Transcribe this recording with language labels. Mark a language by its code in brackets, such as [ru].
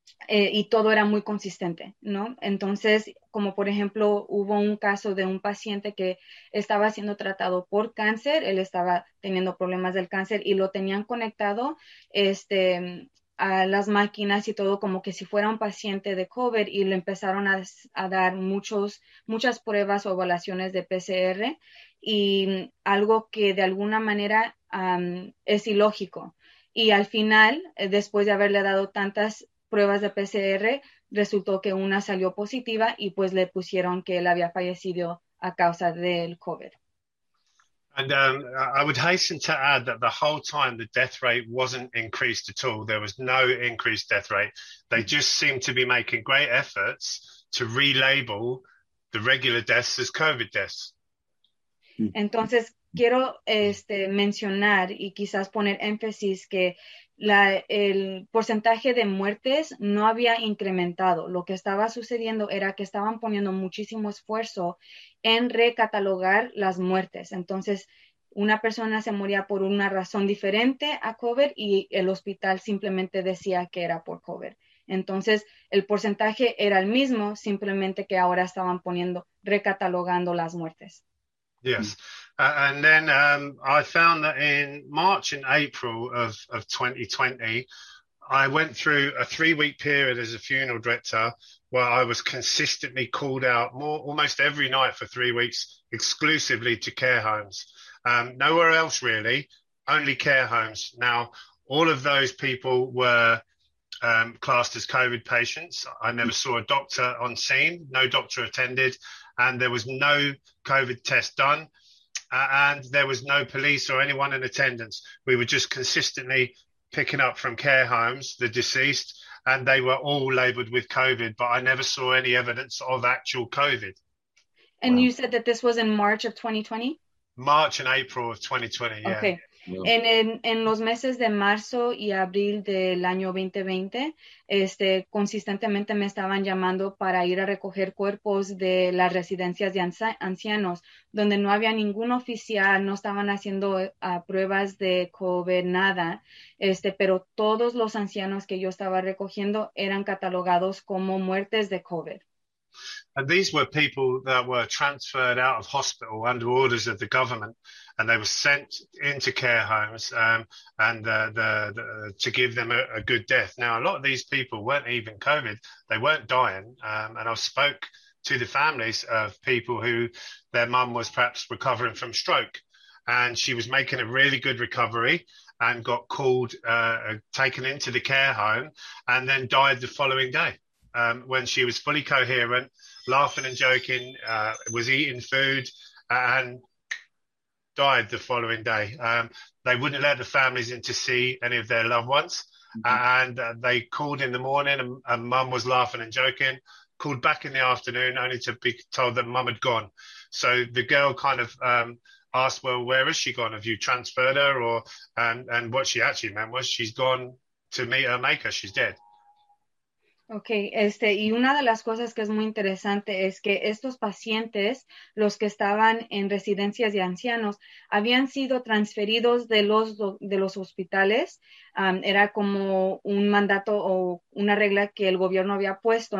[es] Y todo era muy consistente, ¿no? Entonces, como por ejemplo, hubo un caso de un paciente que estaba siendo tratado por cáncer, él estaba teniendo problemas del cáncer y lo tenían conectado a las máquinas y todo como que si fuera un paciente de COVID y le empezaron a dar muchas pruebas o evaluaciones de PCR y algo que de alguna manera es ilógico. Y al final, después de haberle dado tantas pruebas de PCR, resultó que una salió positiva y pues le pusieron que él había fallecido a causa del COVID. [en] And I would hasten to add that the whole time the death rate wasn't increased at all. There was no increased death rate. They just seemed to be making great efforts to relabel the regular deaths as COVID deaths. [es] Entonces, quiero mencionar y quizás poner énfasis que el porcentaje de muertes no había incrementado. Lo que estaba sucediendo era que estaban poniendo muchísimo esfuerzo en recatalogar las muertes. Entonces, una persona se moría por una razón diferente a COVID y el hospital simplemente decía que era por COVID. Entonces, el porcentaje era el mismo, simplemente que ahora estaban recatalogando las muertes. [en] Yes. And then I found that in March and April of 2020, I went through a 3 week period as a funeral director where I was consistently called out more almost every night for 3 weeks, exclusively to care homes. Nowhere else really, only care homes. Now, all of those people were classed as COVID patients. I never saw a doctor on scene, no doctor attended, and there was no COVID test done. And there was no police or anyone in attendance. We were just consistently picking up from care homes the deceased, and they were all labelled with COVID, but I never saw any evidence of actual COVID. And wow. You said that this was in March of 2020? March and April of 2020, yeah. Okay. [es] En los meses de marzo y abril del año 2020, consistentemente me estaban llamando para ir a recoger cuerpos de las residencias de ancianos, donde no había ningún oficial, no estaban haciendo pruebas de COVID, nada, pero todos los ancianos que yo estaba recogiendo eran catalogados como muertes de COVID. [en] And these were people that were transferred out of hospital under orders of the government, and they were sent into care homes to give them a good death. Now, a lot of these people weren't even COVID. They weren't dying. And I spoke to the families of people who their mum was perhaps recovering from stroke, and she was making a really good recovery and got called, taken into the care home, and then died the following day. When she was fully coherent, laughing and joking, was eating food and died the following day. They wouldn't let the families in to see any of their loved ones. Mm-hmm. And they called in the morning and mum was laughing and joking, called back in the afternoon only to be told that mum had gone. So the girl kind of asked, well, where has she gone? Have you transferred her? And what she actually meant was she's gone to meet her maker. She's dead. [es] Okay, y una de las cosas que es muy interesante es que estos pacientes, los que estaban en residencias de ancianos, habían sido transferidos de los hospitales. Era como un mandato o una regla que el gobierno había puesto.